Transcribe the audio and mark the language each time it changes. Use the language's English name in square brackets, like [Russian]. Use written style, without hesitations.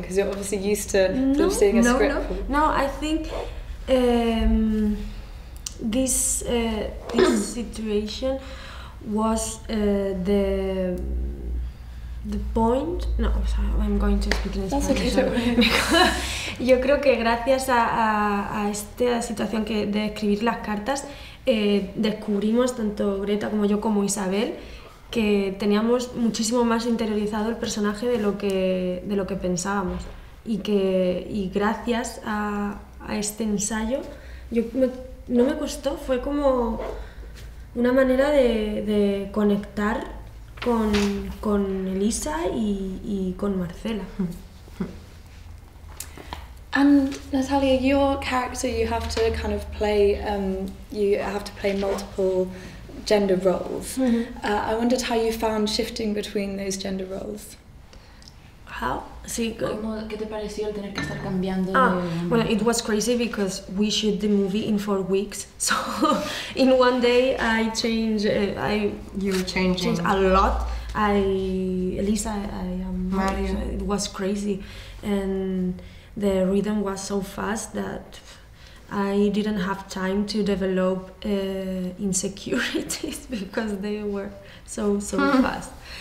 [English] Because you're obviously used to seeing a script. No, I think this situation was the point. No, sorry, I'm going to speak in Spanish. That's okay, don't worry. [Spanish] Yo creo que gracias a esta situación que de escribir las cartas descubrimos tanto Greta como yo como Isabel. Que teníamos muchísimo más interiorizado el personaje de lo que pensábamos y gracias a este ensayo no me costó, fue como una manera de conectar con Elisa y con Marcela. [English] And Natalia, your character, you have to kind of play you have to play multiple gender roles. Mm-hmm. I wondered how you found shifting between those gender roles. How? Sí. [Spanish] ¿Cómo, qué te pareció el tener que estar cambiando? [English] Well, it was crazy because we shoot the movie in 4 weeks. So in one day I changed. You were changing. Changed a lot. Elisa, I am Mario. It was crazy. And the rhythm was so fast that I didn't have time to develop insecurities because they were so fast.